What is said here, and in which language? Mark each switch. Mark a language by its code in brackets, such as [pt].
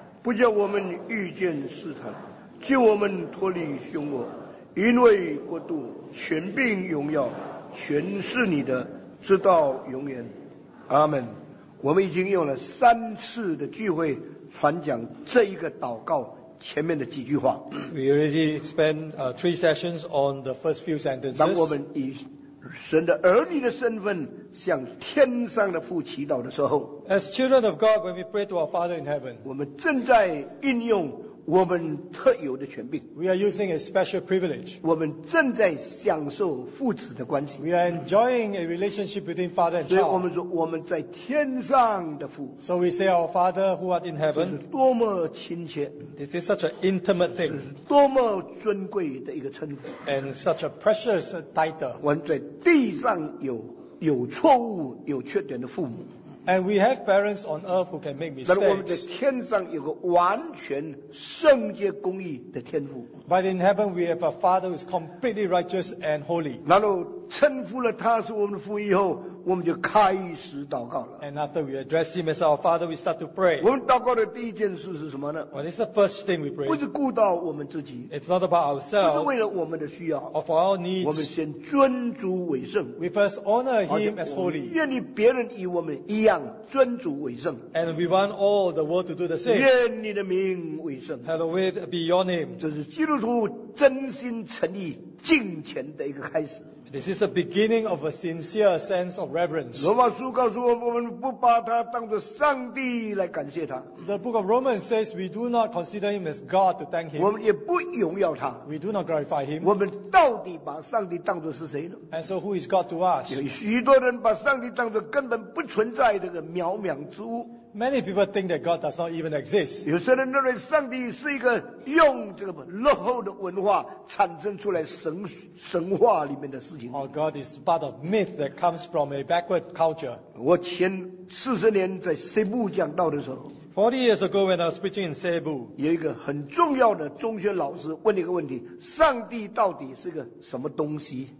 [zh] 不叫我们遇见试探，救我们脱离凶恶，因为国度、权柄、荣耀，全是你的，直到永远。阿们。我们已经用了三次的聚会传讲这一个祷告前面的几句话。 [en] We already spent three sessions on the first few sentences. [zh] 当我们以神的儿女的身份向天上的父祈祷的时候， [en] As children of God, when we pray to our Father in heaven, [zh] 我们正在应用我们特有的权柄。 [en] We are using a special privilege. [zh] 我们正在享受父子的关系。 [en] We are enjoying a relationship between Father and Child. [zh] 所以我们说我们在天上的父。 [en] So we say our Father who art in heaven. [zh] 这是多么亲切。 [en] This is such an intimate thing. [zh] 多么尊贵的一个称呼。 [en] And such a precious title. [zh] 我们在地上有错误、有缺点的父母。 [en] And we have parents on earth who can make mistakes. [zh] 但我们在天上有个完全圣洁公义的天父。 [en] But in heaven we have a father who is completely righteous and holy. [zh] 然后称呼了他是我们的父以后，我们就开始祷告了。 [en] And after we address him as our father, we start to pray. [zh] 我们祷告的第一件事是什么呢？ [en] Well, it's the first thing we pray. [zh] 不是顾到我们自己。 [en] It's not about ourselves. [zh] 不是为了我们的需要。 [en] Of our needs. [zh] 我们先尊主为圣。 [en] We first honor him as holy. [zh] 愿意别人与我们一样尊主为圣。 [en] And we want all the world to do the same. [zh] 愿你的名为圣。 [en] Hallowed be your name. [zh] 这是基督徒真心诚意敬虔的一个开始。 [en] This is the beginning of a sincere sense of reverence. [zh] 罗马书告诉我们，我们不把他当作上帝来感谢他。 [en] The book of Romans says we do not consider him as God to thank him. [zh] 我们也不荣耀他。 [en] We do not glorify him. [zh] 我们到底把上帝当作是谁呢？ [en] And so who is God to us? [zh] 有许多人把上帝当作根本不存在的个渺渺之物。 [en] Many people think that God does not even exist. [zh] 有些人认为上帝是一个用这个落后的文化产生出来神话里面的事情。 [en] Or God is part of myth that comes from a backward culture. [zh] 我前40年在西部讲道的时候， [en] 40 years ago when I was preaching in 西部， [zh] 有一个很重要的中学老师问了一个问题，上帝到底是个什么东西？